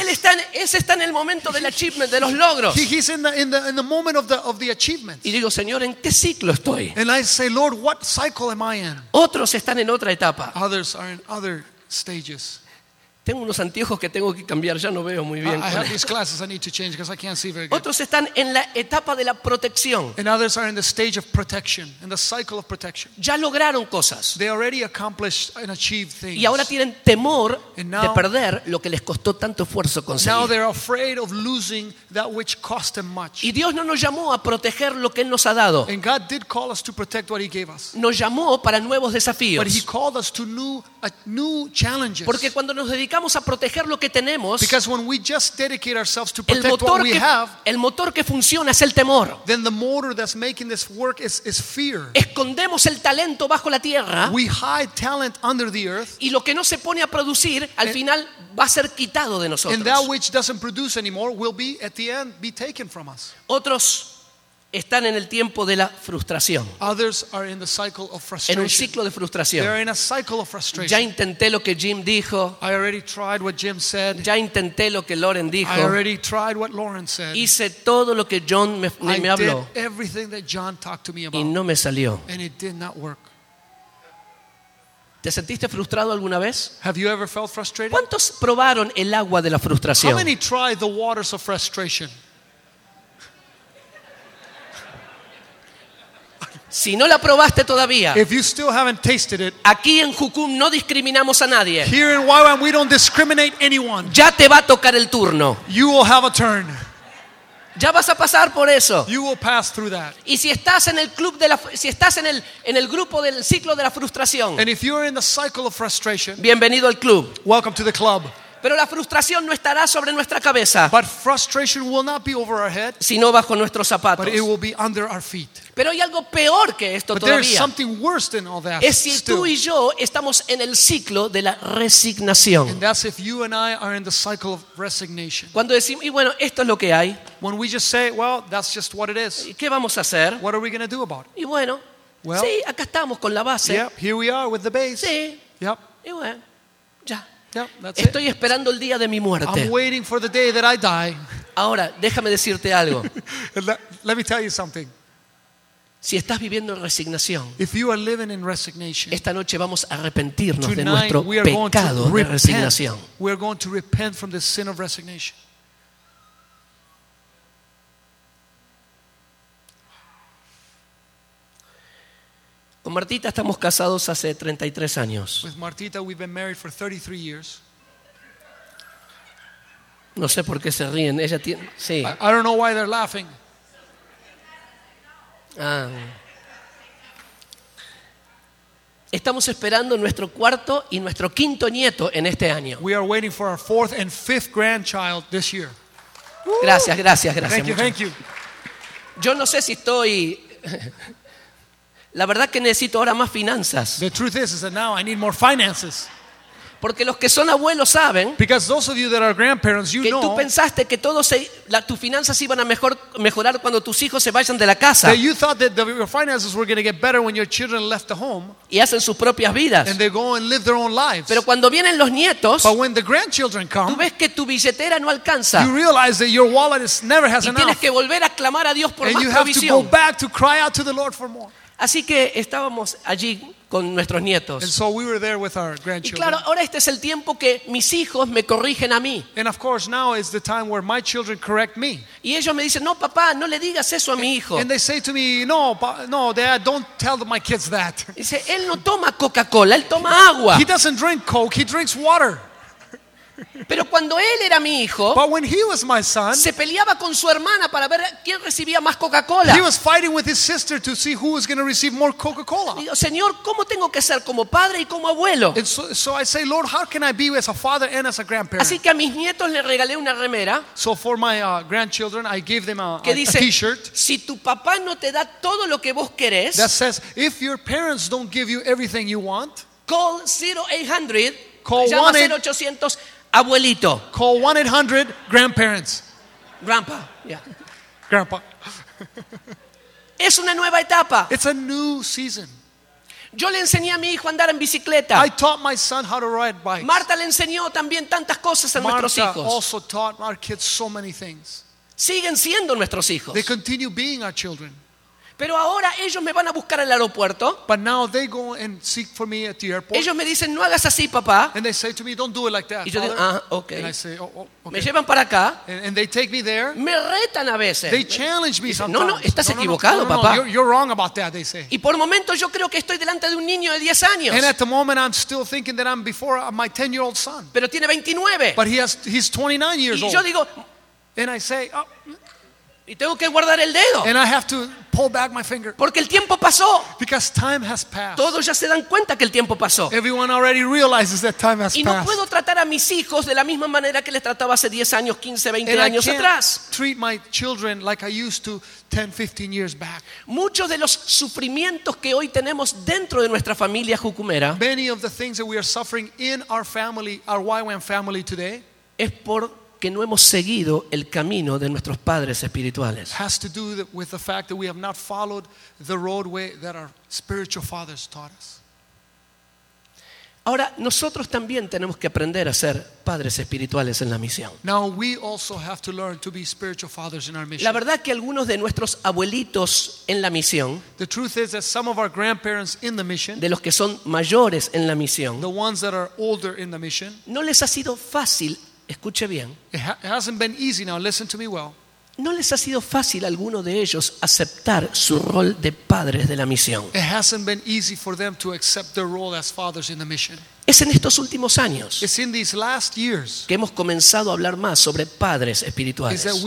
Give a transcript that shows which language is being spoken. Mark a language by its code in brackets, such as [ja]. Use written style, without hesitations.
[es] Él está en el momento del achievement, de los logros. [en] He's in the moment of the achievements. [es] Y digo, Señor, ¿en qué ciclo estoy? [en] And I say, Lord, what cycle am I in? [es] Otros están en otra etapa. [en] Others are in other stages. [es] Tengo unos anteojos que tengo que cambiar, ya no veo muy bien. [en] I have these glasses I need to change because I can't see very good. [es] Otros están en la etapa de la protección. [en] And others are in the stage of protection, in the cycle of protection. [es] Ya lograron cosas. [en] They already accomplished and achieved things. [es] Y ahora tienen temor de perder lo que les costó tanto esfuerzo conseguir. [en] Now they're afraid of losing that which cost them much. [es] Y Dios no nos llamó a proteger lo que Él nos ha dado. [en] And God did call us to protect what He gave us. [es] Nos llamó para nuevos desafíos. [en] But He called us to new challenges. [es] Porque cuando nos dedicamos a proteger lo que tenemos, [en] because when we just dedicate ourselves to protect what we have, [es] el motor que funciona es el temor. [en] Then the motor that's making this work is fear. [es] Escondemos el talento bajo la tierra. [en] We hide talent under the earth. [es] Y lo que no se pone a producir, al final va a ser quitado de nosotros. [en] And that which doesn't produce anymore will be at the end be taken from us. [es] Otros están en el tiempo de la frustración. [en] Others are in the cycle of frustration. [es] En un ciclo de frustración. [en] They are in a cycle of frustration. [es] Ya intenté lo que Jim dijo. [en] I already tried what Jim said. [es] Ya intenté lo que Lauren dijo. [en] I already tried what Lauren said. [es] Hice todo lo que John me habló. [en] I did everything that John talked to me about. [es] Y no me salió. [en] And it did not work. [es] ¿Te sentiste frustrado alguna vez? [en] Have you ever felt frustrated? [es] ¿Cuántos probaron el agua de la frustración? [en] How many tried the waters of frustration? [es] Si no la probaste todavía, [en] if you still haven't tasted it, [es] aquí en Jucum no discriminamos a nadie. [en] Here in YWAM we don't discriminate anyone. [es] Ya te va a tocar el turno. [en] You will have a turn. [es] Ya vas a pasar por eso. [en] You will pass through that. [es] Y si estás en el club de la, si estás en el grupo del ciclo de la frustración, [en] and if you're in the cycle of frustration, [es] bienvenido al club. [en] Welcome to the club. [es] Pero la frustración no estará sobre nuestra cabeza, [en] but frustration will not be over our head, [es] sino bajo nuestros zapatos. [en] But it will be under our feet. [es] Pero hay algo peor que esto [en] but [es] todavía. [en] There is something worse than all that. [es] Es si [en] still. [es] Tú y yo estamos en el ciclo de la resignación. [en] And that's if you and I are in the cycle of resignation. [es] Cuando decimos, y bueno, esto es lo que hay. [en] When we just say, well, that's just what it is. [es] ¿Y qué vamos a hacer? [en] What are we going to do about it? [es] Y bueno, well, sí, acá estamos con la base. [en] Yep, here we are with the base. [es] Sí. [en] Yep. [es] Y bueno, ya. [en] Yeah, that's [es] estoy [en] it. [es] Esperando el día de mi muerte. [en] I'm waiting for the day that I die. [es] Ahora, déjame decirte algo. [en] Let me tell you something. [es] Si estás viviendo en resignación, [en] if you are living in resignation, [es] esta noche vamos a arrepentirnos [en] tonight, [es] de nuestro [en] we are [es] pecado [en] going to [es] de [en] repent. [es] Resignación. [en] We are going to repent from the sin of resignation. [es] Con Martita estamos casados hace 33 años. [en] With Martita, we've been married for 33 years. [es] No sé por qué se ríen. Ella tiene, sí. [en] I don't know why they're laughing. Ah. [es] Estamos esperando nuestro cuarto y nuestro quinto nieto en este año. [en] We are waiting for our fourth and fifth grandchild this year. [es] Gracias, gracias, gracias. [en] Thank you, thank you. [es] Yo no sé si estoy. La verdad que necesito ahora más finanzas. [en] The truth is that now I need more finances. [es] Porque los que son abuelos saben. [en] Because those of you that are grandparents, you [es] que [en] know. [es] Que tú pensaste que tus finanzas iban a mejorar cuando tus hijos se vayan de la casa. [en] That you thought that your finances were going to get better when your children left the home. [es] Y hacen sus propias vidas. [en] And they go and live their own lives. [es] Pero cuando vienen los nietos. [en] But when the grandchildren come. [es] Tú ves que tu billetera no alcanza. [en] You realize that your wallet never has enough. [es] Y tienes que volver a clamar a Dios por [en] and [es] más [en] provisión. And you have to go back to cry out to the Lord for more. [es] Así que estábamos allí con nuestros nietos. [en] And so we were there with our grandchildren. [es] Y claro, ahora este es el tiempo que mis hijos me corrigen a mí. [en] And of course now is the time where my children correct me. [es] Y ellos me dicen, "No, papá, no le digas eso a mi hijo." [en] And they say to me, "No, no, dad, don't tell my kids that." [es] Dice, "Él no toma Coca-Cola, él toma agua." [en] He doesn't drink Coke, he drinks water. [es] Pero cuando él era mi hijo, [en] but when he was my son, [es] se peleaba con su hermana para ver quién recibía más Coca-Cola. [en] He was fighting with his sister to see who was going to receive more Coca-Cola. [es] Digo, Señor, ¿cómo tengo que ser como padre y como abuelo? [en] And so I say, Lord, how can I be as a father and as a grandparent? [es] Así que a mis nietos les regalé una remera. [en] So for my grandchildren, I gave them [es] que dice, [en] a T-shirt. [es] Si tu papá no te da todo lo que vos querés, [en] that says, if your parents don't give you everything you want, call 0800. Call [es] 0800. Abuelito. [en] Call 1-800 grandparents. Grandpa. Yeah. Grandpa. [es] Es una nueva etapa. [en] It's a new season. [es] Yo le enseñé a mi hijo a andar en bicicleta. [en] I taught my son how to ride bikes. [es] Marta le enseñó también tantas cosas a nuestros hijos. [en] Marta also taught our kids so many things. [es] Siguen siendo nuestros hijos. [en] They continue being our children. [es] Pero ahora ellos me van a buscar al aeropuerto. [en] But now they go and seek for me at the airport. [es] Ellos me dicen, no hagas así, papá. [en] And they say to me, don't do it like that, [es] y yo [en] father. [es] Digo, ah, okay. [en] And I say, oh, okay. [es] Me llevan para acá. [en] And they take me there. [es] Me retan a veces. [en] They challenge me [es] dicen, [en] sometimes. [es] No, no, estás equivocado, [en] no, no, no, [es] papá. [en] No, you're wrong about that, they say. [es] Y por momentos yo creo que estoy delante de un niño de 10 años. [en] And at the moment I'm still thinking that I'm before my 10-year-old son. [es] Pero tiene 29. [en] But he's 29 years old. [es] Y yo digo, [en] and I say, oh. [es] Y tengo que guardar el dedo. [en] And I have to pull back my finger. [es] Porque el tiempo pasó. [en] Because time has passed. [es] Todos ya se dan cuenta que el tiempo pasó. [en] Everyone already realizes that time has passed. [es] Y no puedo tratar a mis hijos de la misma manera que les trataba hace 10 años, 15, 20 [en] and [es] años [en] I can't [es] atrás. [en] Treat my children like I used to 10, 15 years back. [es] Muchos de los sufrimientos que hoy tenemos dentro de nuestra familia jucumera. [en] Many of the things that we are suffering in our family, our YWAM family today, [es] es por que no hemos seguido el camino de nuestros padres espirituales. [en] Has to do with the fact that we have not followed the roadway that our spiritual fathers taught us. [es] Ahora nosotros también tenemos que aprender a ser padres espirituales en la misión. [en] Now we also have to learn to be spiritual fathers in our mission. [es] La verdad que algunos de nuestros abuelitos en la misión, [en] the truth is that some of our grandparents in the mission, [es] de los que son mayores en la misión, [en] the ones that are older in the mission, [es] no les ha sido fácil. Escuche bien. [en] It hasn't been easy. Now listen to me well. [es] No les ha sido fácil a alguno de ellos aceptar su rol de padres de la misión. [en] It hasn't been easy for them to accept their role as fathers in the mission. [es] Es en estos últimos años que hemos comenzado a hablar más sobre padres espirituales.